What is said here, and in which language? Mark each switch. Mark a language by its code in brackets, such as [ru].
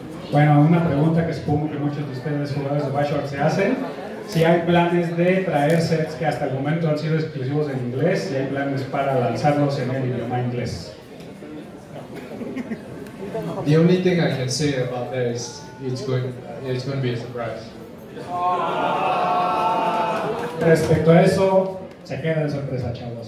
[es] Bueno, una pregunta que supongo que muchos de ustedes jugadores de Bioshock se hacen. Si hay planes de traer sets que hasta el momento han sido exclusivos en inglés, si hay planes para lanzarlos en el idioma inglés. [en] The only thing I can say about that is it's going to be a surprise. [es] Respecto a eso, se queda de sorpresa, chavos.